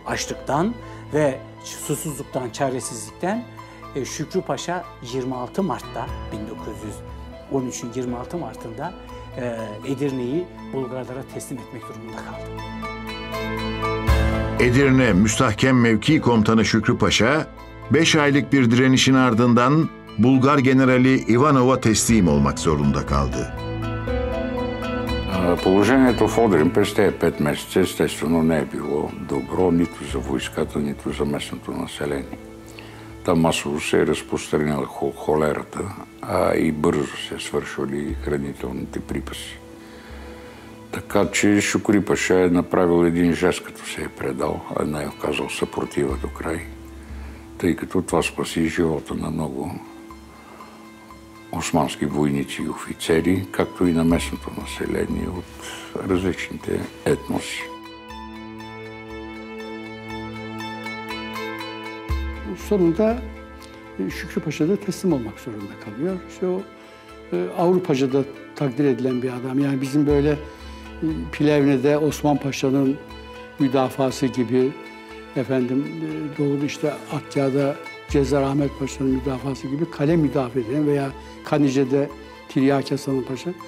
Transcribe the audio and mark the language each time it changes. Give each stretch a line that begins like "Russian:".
Turkish: Açlıktan ve susuzluktan, çaresizlikten Şükrü Paşa 26 Mart'ta 1913'ün 26 Mart'ında Edirne'yi Bulgarlara teslim etmek durumunda kaldı. Edirne Müstahkem Mevki Komutanı Şükrü Paşa 5 aylık bir direnişin ardından Bulgar generali Ivanov'a teslim olmak zorunda kaldı.
Bulgarian: Положение в Одрин през тези 5 месеца естествено не е било добро нито за войската, нито за местното население. Там масово се е разпространила холерата, а и бързо се свършили хранителните припаси. Така че Шукри Паша е направил един жест, като се е предал, а не е оказал съпротива до край, тъй като това спаси живота на много османски войници и офицери, както и на местното население от различните етноси.
Turkish: Sonunda Şükrü Paşa da teslim olmak zorunda kalıyor. İşte o Avrupa'ca da takdir edilen bir adam. Yani bizim böyle Plevne'de Osman Paşa'nın müdafası gibi, efendim doğru işte Akya'da Cezar Ahmet Paşa'nın müdafası gibi kale müdafaa eden veya Kanice'de Tiryaki Hasan Paşa.